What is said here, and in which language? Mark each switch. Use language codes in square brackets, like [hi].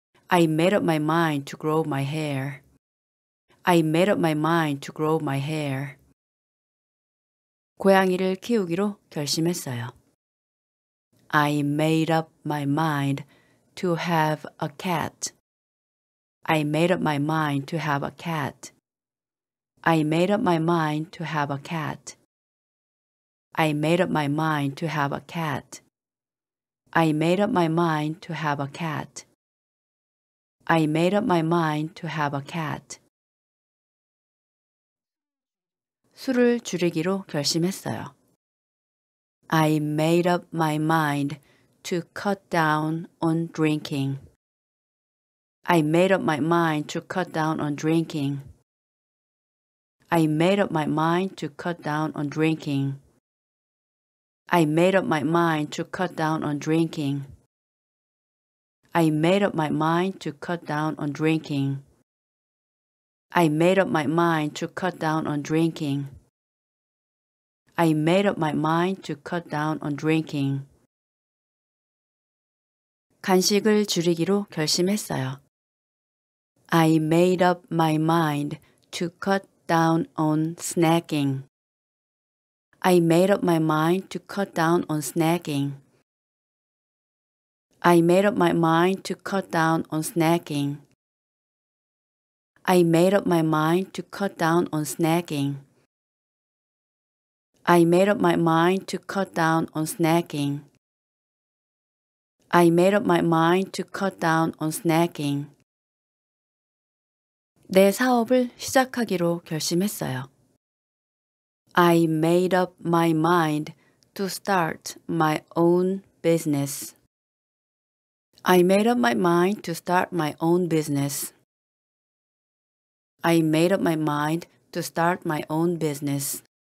[en] I made up my mind to grow my hair. I made up my mind to grow my hair. [ko] 고양이를 키우기로 결심했어요. [en] I made up my mind to have a cat. I made up my mind to have a cat. I made up my mind to have a cat. I made up my mind to have a cat. I made up my mind to have a cat. I made up my mind to have a cat. [ko] 술을 줄이기로 결심했어요. [en] I made up my mind to cut down on drinking. I made up my mind to cut down on drinking. I made up my mind to cut down on drinking. I made up my mind to cut down on drinking. I made up my mind to cut down on drinking. I made up my mind to cut down on drinking. I made up my mind to cut down on drinking. [ko] 간식을 줄이기로 결심했어요. [en] I made up my mind to cut down on snacking. I made up my mind to cut down on snacking. I made up my mind to cut down on snacking. I made up my mind to cut down on snacking. I made up my mind to cut down on snacking. I made up my mind to cut down on snacking. [ko] 내 사업을 시작하기로 결심했어요. [en] I made up my mind to start my own business. I made up my mind to start my own business. I made up my mind to start my own business.